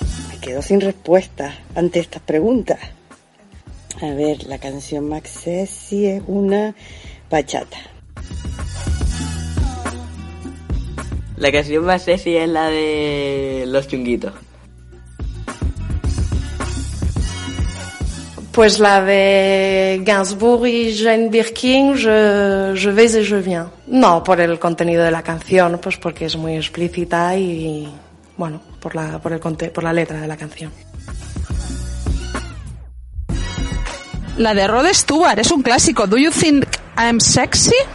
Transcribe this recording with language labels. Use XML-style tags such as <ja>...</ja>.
<es>Me quedo sin respuesta ante estas preguntas. A ver, la canción más sexy es una bachata. La canción más sexy es la de Los Chunguitos. Pues la de Gainsbourg y Jane Birkin,</es> <fr>je vais et je viens.</fr> <es>No, por el contenido de la canción, pues porque es muy explícita y, bueno, por la letra de la canción. La de Rod Stewart es un clásico.</es> <en>Do you think I'm sexy?</en>